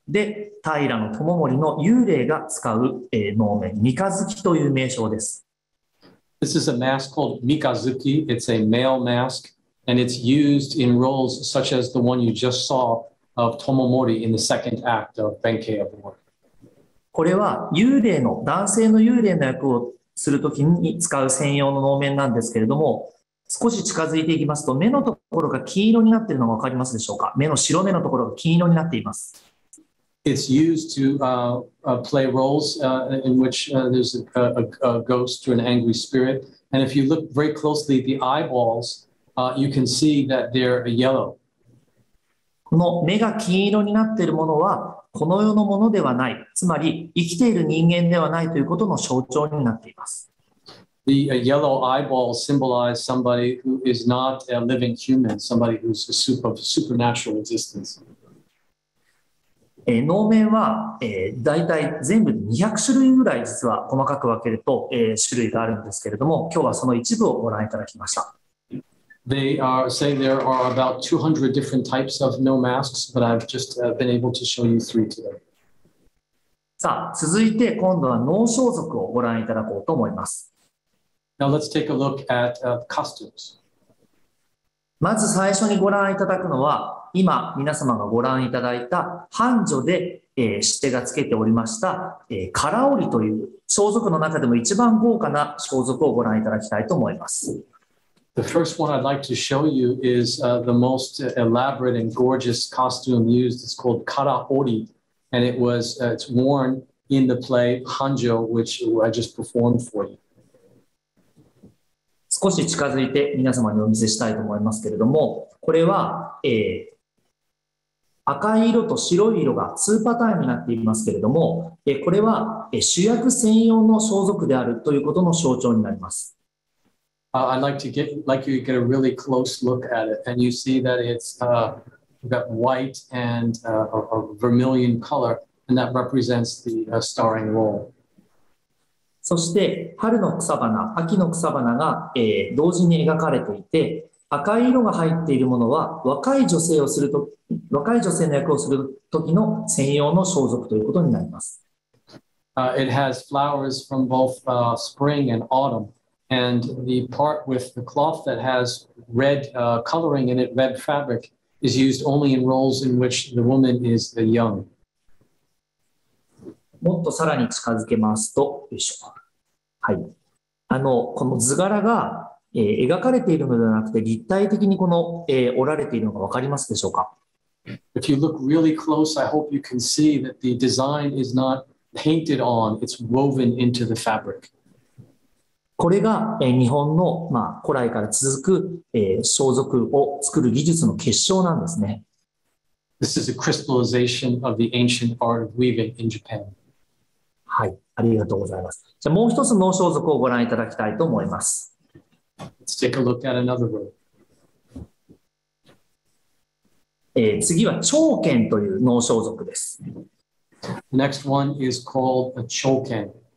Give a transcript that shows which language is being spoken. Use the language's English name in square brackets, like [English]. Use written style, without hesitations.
[Japanese] で、平知盛の幽霊が使う、能面、三日月という名称です。 [English] This is a mask called 三日月. It's a male mask, and it's used in roles such as the one you just saw of Tomomori in the second act of Benkei of War. [Japanese] これは幽霊の、男性の幽霊の役をするときに使う専用の能面なんですけれども、少し近づいていきますと、目のところが金色になっているのが分かりますでしょうか。目の白目のところが金色になっています。 [English] it's used to play roles in which there's a ghost or an angry spirit. And if you look very closely at the eyeballs, you can see that they're yellow. [Japanese] この目が金色になっているものはこの世のものではない、つまり生きている人間ではないということの象徴になっています。 [English] The yellow eyeballs symbolize somebody who is not a living human, somebody who's a supernatural existence. [Japanese] 能面は、大体全部200種類ぐらい実は細かく分けると、種類があるんですけれども、今日はその一部をご覧いただきました。 [English] They are saying there are about 200 different types of no masks, but I've just been able to show you three today. [Japanese] さあ、続いて今度は能装束をご覧いただこうと思います。 [English] Now let's take a look at costumes. [Japanese] まず最初にご覧いただくのは、今皆様がご覧いただいた半女で、シテがつけておりました、カラオリという装束の中でも一番豪華な装束をご覧いただきたいと思います。 [English] The first one I'd like to show you is the most elaborate and gorgeous costume used. It's called karaori, and it was it's worn in the play Hanjo, which I just performed for you. [Japanese] 少し近づいて皆様にお見せしたいと思いますけれども、これは、赤い色と白い色が2パターンになっていますけれども、これは、主役専用の装束であるということの象徴になります。 [English] I'd like to get a really close look at it, and you see that it's got white and a vermilion color, and that represents the starring role. [Japanese] そして春の草花、秋の草花が、同時に描かれていて、赤い色が入っているものは若い女性の役をする時の専用の装束ということになります。 [English] It has flowers from both spring and autumn. And the part with the cloth that has red coloring in it, red fabric, is used only in roles in which the woman is young. [Japanese] もっとさらに近づけますと、よいしょ。はい。この図柄が、描かれているのではなくて、立体的にこの、折られているのが分かりますでしょうか? [English] If you look really close, I hope you can see that the design is not painted on, it's woven into the fabric. [Japanese] これが日本の、まあ、古来から続く、装束を作る技術の結晶なんですね。 [English] This is a crystallization of the ancient art of weaving in Japan. [Japanese] はい、ありがとうございます。じゃあもう一つの装束をご覧いただきたいと思います。 [English] Let's take a look at another one. [Japanese] 次は長剣という能装束です。 [English] The next one is called a 長剣。